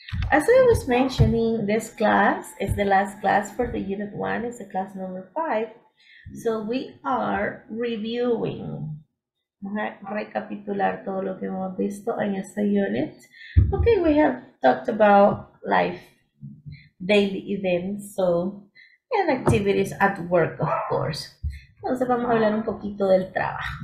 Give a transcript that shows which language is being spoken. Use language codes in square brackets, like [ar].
[en] As I was mentioning, this class is the last class for the unit one. It's the class number 5. So we are reviewing. [es] Vamos a recapitular todo lo que hemos visto en esta unit. [en] Okay, we have talked about life, daily events, so, and activities at work, of course. [es] Entonces vamos a hablar un poquito del trabajo.